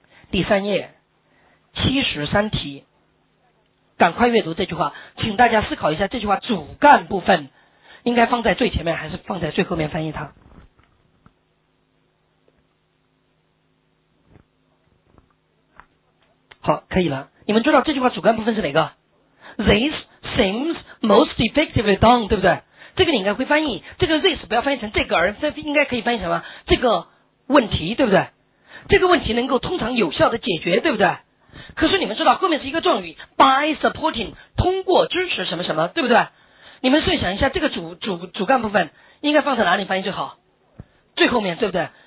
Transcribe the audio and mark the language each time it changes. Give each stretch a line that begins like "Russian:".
Chinese: 第三页73题，赶快阅读这句话，请大家思考一下，这句话主干部分应该放在最前面还是放在最后面翻译它。好，可以了。你们知道这句话主干部分是哪个？
English: This seems most effectively done，
Chinese: 对不对？这个你应该会翻译，这个 this 不要翻译成这个，而应该可以翻译成什么？这个问题，对不对？这个问题能够通常有效的解决，对不对？可是你们知道后面是一个状语
English: by supporting，
Chinese: 通过支持什么什么，对不对？你们试想一下，这个主干部分应该放在哪里翻译最好？最后面，对不对？